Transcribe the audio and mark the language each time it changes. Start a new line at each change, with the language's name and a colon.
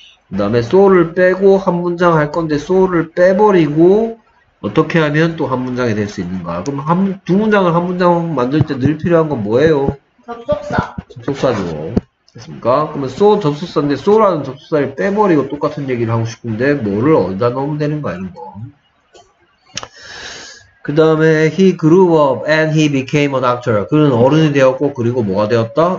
Korean: 그 다음에 so를 빼고 한 문장 할 건데 so를 빼버리고 어떻게 하면 또 한 문장이 될 수 있는가. 그럼 두 문장을 한 문장 만들 때 늘 필요한 건 뭐예요? 접속사죠. 됐습니까? 그러면 so 접속사인데 so라는 접속사를 빼버리고 똑같은 얘기를 하고 싶은데 뭐를 어디다 넣으면 되는 거야 이런 거. 그 다음에
English: he grew up and he became a doctor.
Korean: 그는 어른이 되었고 그리고 뭐가 되었다?